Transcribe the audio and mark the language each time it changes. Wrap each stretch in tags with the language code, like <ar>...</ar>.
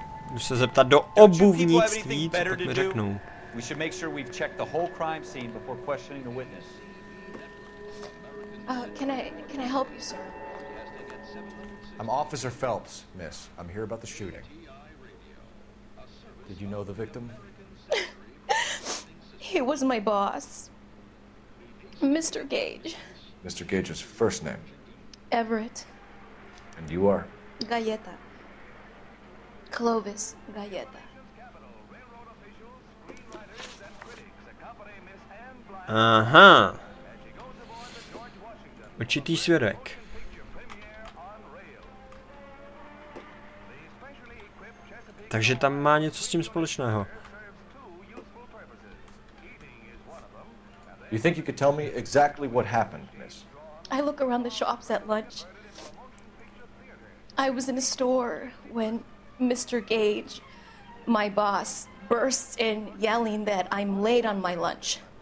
<cs>Musím se zeptat do obuvnictví, co tak mi řeknou.</cs> <en>We should make sure we've checked the whole crime scene before questioning the witness. Can I help you, sir? I'm Officer Phelps, miss. I'm here about the shooting. Did you know the victim? He was my boss. Mr. Gage. Mr. Gage's first name. Everett. And you are? Galleta. Clovis Galleta. Aha.</en> <cs>Určitý svědek. Takže tam má něco s tím společného.</cs> <en>You think you could tell me exactly what happened, miss? I look around the shops at lunch. I was in a store when Mr. Gage, my boss, bursts in yelling that I'm late on my lunch.</en>